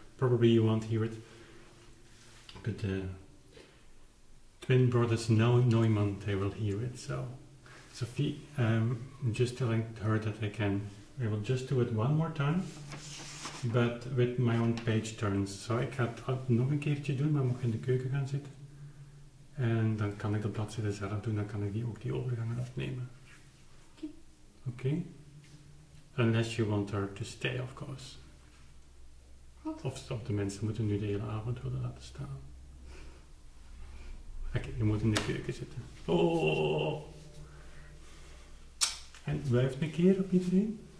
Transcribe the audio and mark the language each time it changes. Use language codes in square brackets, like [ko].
[en] Probably you won't hear it, but twin brothers Neumann, they will hear it. So Sophie, I'm just telling her that I will just do it one more time, but with my own page turns. [nl] So ik ga het nog een keertje doen, maar mag in de keuken gaan zitten. En dan kan ik de bladzijde zelf doen, dan kan ik ook die overgangen afnemen. [en] Okay. Unless you want her to stay, of course. What? [nl] Of de mensen moeten nu de hele avond willen laten staan. Oké, je moet in de keuken zitten. Oh! En wuift een keer op iedereen.